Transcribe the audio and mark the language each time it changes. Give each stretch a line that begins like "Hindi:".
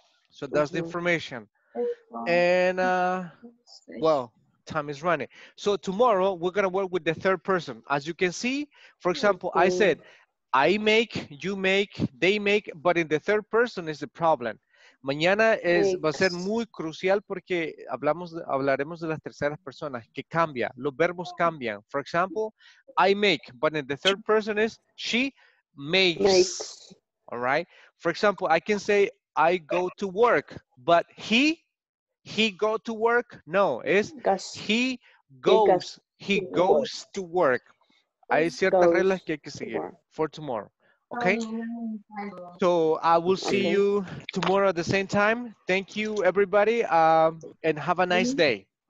English: So that's the information. And well, time is running. So tomorrow we're gonna work with the third person. As you can see, for example, I said, I make, you make, they make, but in the third person is the problem.
Spanish: Mañana es, va a ser muy crucial porque hablaremos de las terceras personas, que cambia, los verbos cambian.
English: For example, I make, but in the third person is she makes. All right. For example, I can say I go to work, but he go to work? No, it's he goes to work.
Spanish: Hay ciertas reglas que hay que seguir
English: for tomorrow. Okay, so I will see you tomorrow at the same time. Thank you, everybody, and have a nice day.